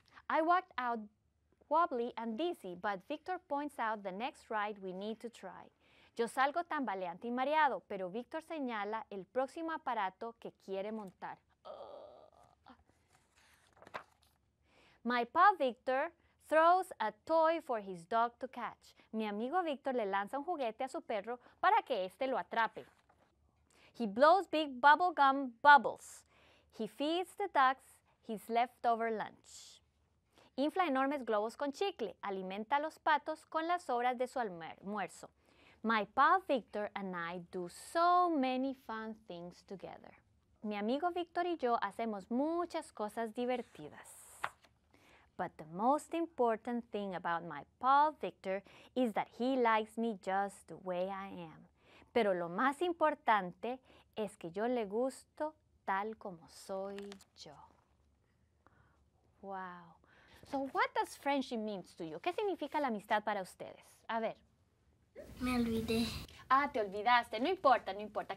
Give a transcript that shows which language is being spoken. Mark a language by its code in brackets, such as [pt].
[en] I walked out wobbly and dizzy, but Victor points out the next ride we need to try. [es] Yo salgo tambaleante y mareado, pero Victor señala el próximo aparato que quiere montar. [en] My pal Victor throws a toy for his dog to catch. [es] Mi amigo Victor le lanza un juguete a su perro para que este lo atrape. [en] He blows big bubblegum bubbles. He feeds the ducks his leftover lunch. [es] Infla enormes globos con chicle. Alimenta a los patos con las sobras de su almuerzo. [en] My pal Victor and I do so many fun things together. [es] Mi amigo Victor y yo hacemos muchas cosas divertidas. [en] But the most important thing about my pal Victor is that he likes me just the way I am. [es] Pero lo más importante es que yo le gusto tal como soy yo. [en] Wow. So what does friendship mean to you? [es] ¿Qué significa la amistad para ustedes? A ver. Me olvidé. Ah, te olvidaste. No importa, no importa.